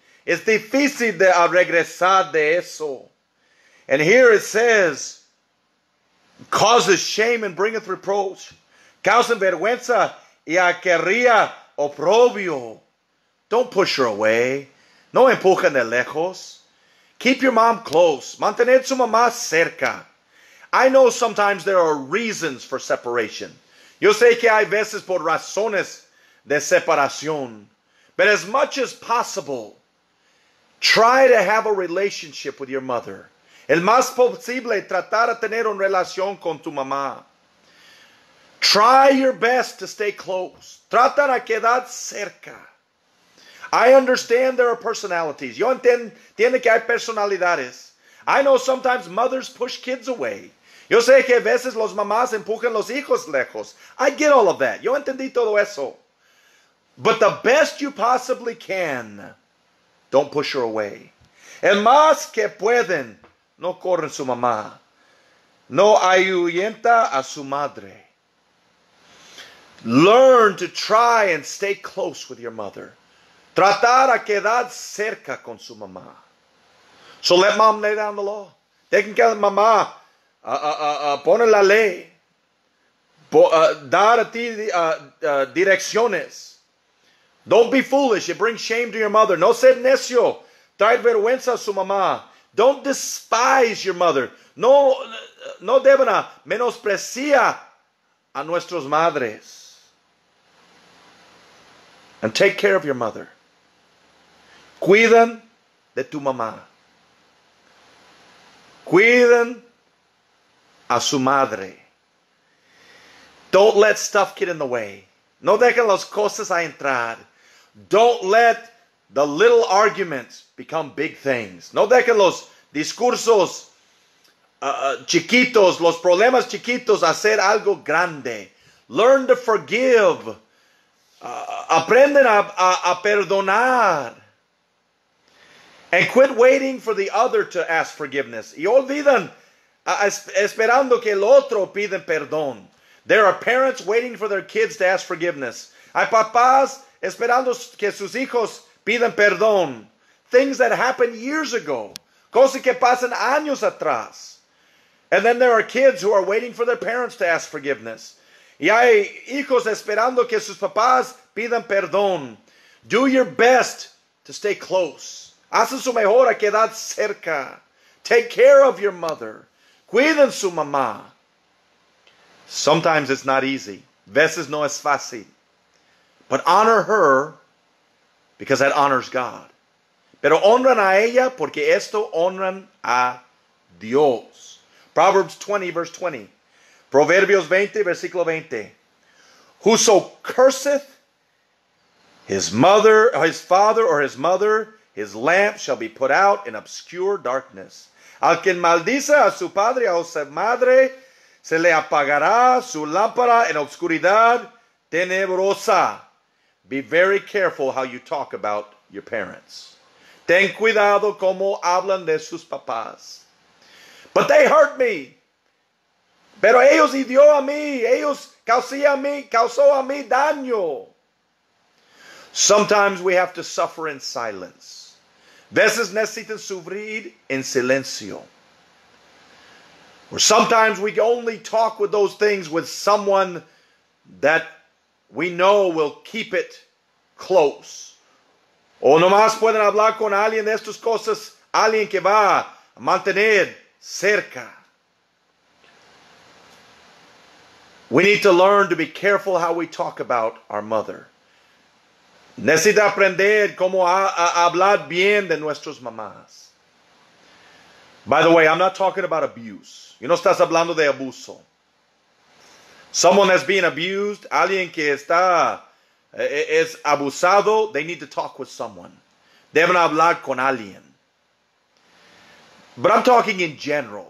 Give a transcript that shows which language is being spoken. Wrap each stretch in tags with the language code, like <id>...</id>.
<es>Es difícil de regresar de eso.</es> <en>And here it says, causes shame and bringeth reproach.</en> <es>Causan vergüenza y acarrea oprobio.</es> <en>Don't push her away.</en> <es>No empujan de lejos.</es> <en>Keep your mom close.</en> <es>Mantener su mamá cerca.</es> <en>I know sometimes there are reasons for separation.</en> <es>Yo sé que hay veces por razones de separación.</es> <en>But as much as possible, try to have a relationship with your mother.</en> <es>El más posible, tratar de tener una relación con tu mamá.</es> <en>Try your best to stay close.</en> <es>Trata de quedar cerca.</es> <en>I understand there are personalities.</en> <es>Yo entiendo que hay personalidades.</es> <en>I know sometimes mothers push kids away.</en> <es>Yo sé que a veces los mamás empujan los hijos lejos.</es> <en>I get all of that.</en> <es>Yo entendí todo eso.</es> <en>But the best you possibly can, don't push her away.</en> <es>El más que pueden, no corren su mamá. No ayuyenta a su madre.</es> <en>Learn to try and stay close with your mother.</en> <es>Tratar a quedar cerca con su mamá.</es> <en>So let mom lay down the law.</en> <es>Dejen que mamá pone la ley. Dar a ti direcciones.</es> <en>Don't be foolish. It brings shame to your mother.</en> <es>No ser necio. Trae vergüenza a su mamá.</es> <en>Don't despise your mother.</en> <es>No deben menospreciar a nuestras madres.</es> <en>And take care of your mother.</en> <es>Cuidan de tu mamá. Cuidan a su madre.</es> <en>Don't let stuff get in the way.</en> <es>No dejen las cosas a entrar.</es> <en>Don't let the little arguments become big things.</en> <es>No dejen los discursos chiquitos, los problemas chiquitos, hacer algo grande.</es> <en>Learn to forgive.</en> <es>Aprenden a perdonar.</es> <en>And quit waiting for the other to ask forgiveness.</en> <es>Y olvidan esperando que el otro pida perdón.</es> <en>There are parents waiting for their kids to ask forgiveness.</en> <es>Hay papás esperando que sus hijos pidan perdón.</es> <en>Things that happened years ago.</en> <es>Cosas que pasan años atrás.</es> <en>And then there are kids who are waiting for their parents to ask forgiveness.</en> <es>Y hay hijos esperando que sus papás pidan perdón.</es> <en>Do your best to stay close.</en> <es>Hacen su mejor a quedar cerca.</es> <en>Take care of your mother.</en> <es>Cuiden su mamá.</es> <en>Sometimes it's not easy.</en> <es>Veces no es fácil.</es> <en>But honor her because that honors God.</en> <es>pero honran a ella porque esto honran a Dios.</es> <en>Proverbs 20, verse 20.</en> <es>Proverbios 20, versículo 20.</es> <en>Whoso curseth his mother, or his father, or his mother, his lamp shall be put out in obscure darkness.</en> <es>Al quien maldice a su padre o su madre, se le apagará su lámpara en obscuridad tenebrosa.</es> <en>Be very careful how you talk about your parents.</en> <es>Ten cuidado como hablan de sus papás.</es> <en>But they hurt me.</en> <es>Pero ellos hirió a mí. Ellos causó a mí daño.</es> <en>Sometimes we have to suffer in silence.</en> <es>Veces necesitan sufrir en silencio.</es> <en>Or sometimes we only talk with those things with someone that we know will keep it close.</en> <es>O nomás pueden hablar con alguien de estas cosas, alguien que va a mantener cerca.</es> <en>We need to learn to be careful how we talk about our mother.</en> <es>Necesita aprender cómo hablar bien de nuestras mamás.</es> <en>By the way, I'm not talking about abuse.</en> <es>You no estás hablando de abuso.</es> <en>Someone that's being abused,</en> <es>alguien que está es abusado,</es> <en>they need to talk with someone.</en> <es>Deben hablar con alguien.</es> <en>But I'm talking in general.</en>